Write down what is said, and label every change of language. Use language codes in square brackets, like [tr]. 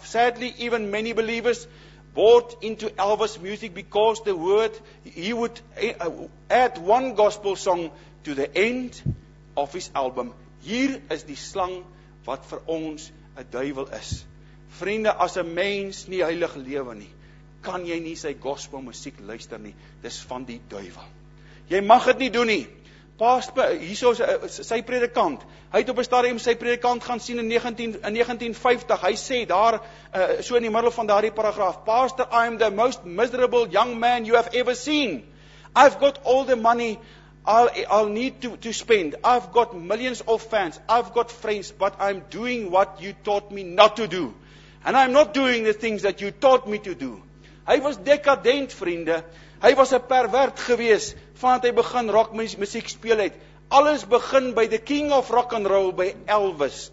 [en] Sadly, even many believers bought into Elvis music because the word he would add one gospel song to the end of his album. [af] Hier is die slang wat vir ons 'n duivel is. Vriende, as 'n mens nie heilig lewe nie, kan jy nie sy gospel musiek luister nie. Dis van die duivel. Jy mag dit nie doen nie. Pastor, hierso sy predikant, hy het op 'n stadium sy predikant gaan sien in 1950, hy sê daar, so in die middel van daardie paragraaf, Pastor, [en] I am the most miserable young man you have ever seen. I've got all the money I'll need to spend. I've got millions of fans. I've got friends, but I'm doing what you taught me not to do. And I'm not doing the things that you taught me to do. [af] Hy was dekadent, vriende. Hy was 'n pervert gewees, vandat hy begin rockmusiek speel het. Alles begin by [en] the King of Rock and Roll, [af] by Elvis.